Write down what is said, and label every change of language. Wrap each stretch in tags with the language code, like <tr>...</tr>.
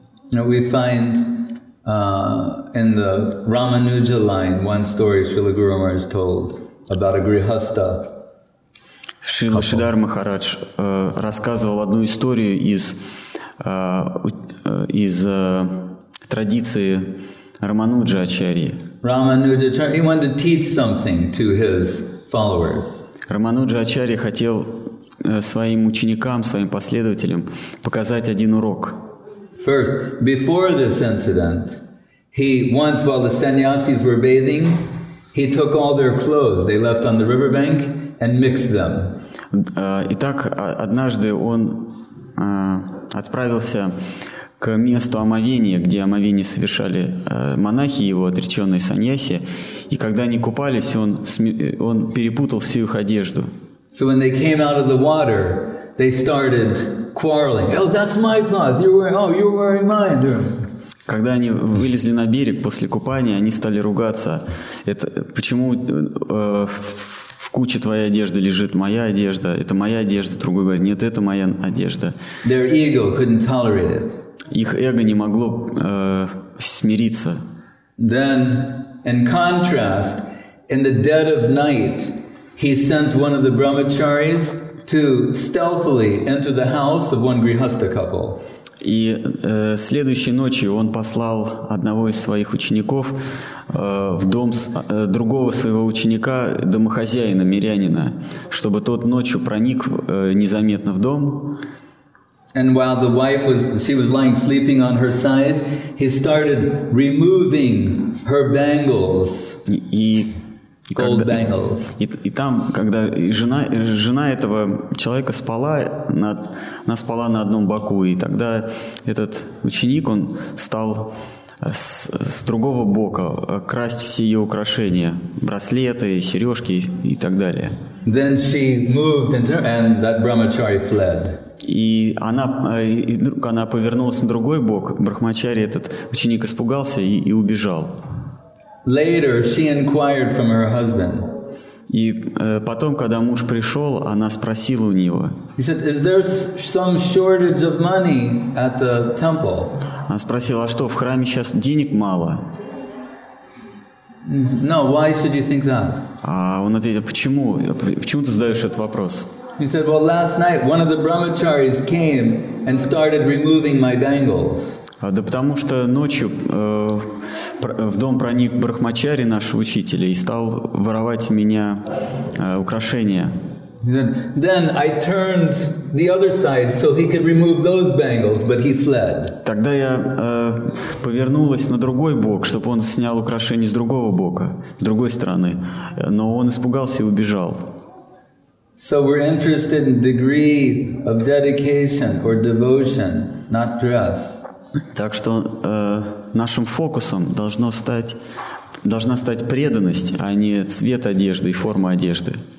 <en>Now we find in the Ramanuja line one story Srila Guru Maharaj told about a Grihastha.</en> <ru>Шрила Шридхар Махарадж рассказывал одну историю из традиции Рамануджа Ачарьи.</ru> <en>Ramanuja, he wanted to teach something to his followers.</en> <ru>Рамануджа Ачарьи хотел своим ученикам, своим последователям показать один урок.</ru> <en>First, before this incident, he once, while the sannyasis were bathing, he took all their clothes they left on the riverbank and mixed them.</en> <ru>Итак, однажды он отправился к месту омовения, где омовение совершали монахи, его отреченные саньяси, и когда они купались, он перепутал всю их одежду.</ru> <en>So when they came out of the water, they started quarreling. Oh, that's my cloth. You're wearing mine.</en> <ru>Когда они вылезли на берег после купания, они стали ругаться. Это почему в куче твоей одежды лежит моя одежда? Это моя одежда. Другой говорит: нет, это моя одежда.</ru> <en>Their ego couldn't tolerate it.</en> <ru>Их эго не могло смириться.</ru> <en>Then, in contrast, in the dead of night, he sent one of the brahmacharis to stealthily enter the house of one grihastha couple.</en> <ru>И следующей ночью он послал одного из своих учеников в дом другого своего ученика, домохозяина, мирянина, чтобы тот ночью проник незаметно в дом.</ru> <en>And while the wife was, she was lying sleeping on her side, he started removing her bangles.</en> <ru>И там, когда жена этого человека спала, она спала на одном боку, и тогда этот ученик, он стал с другого бока красть все ее украшения, браслеты, сережки и так далее.</ru> <en>Then she moved and that brahmachari fled.</en> <ru>И она повернулась на другой бок, брахмачари этот ученик испугался и убежал.</ru> <en>Later, she inquired from her husband.</en> <ru>И потом, когда муж пришел, она спросила у него.</ru> <en>He said, "Is there some shortage of money at the temple?"</en> <ru>Она спросила: "А что, в храме сейчас денег мало?"</ru> <en>No, why should you think that?</en> <ru>А он ответил: "Почему? Почему ты задаешь этот вопрос?"</ru> <en>He said, "Well, last night one of the brahmacharis came and started removing my bangles."</en> <ru>Да потому что ночью в дом проник брахмачари, наш учитель, и стал воровать у меня украшения.</ru> <en>Then I turned the other side so he could remove those bangles, but he fled.</en> <ru>Тогда я повернулась на другой бок, чтобы он снял украшения с другого бока, с другой стороны, но он испугался и убежал.</ru> <en>So we're interested in degree of dedication or devotion, not dress.</en> <ru>Так что нашим фокусом должна стать преданность, а не цвет одежды и форма одежды.</ru>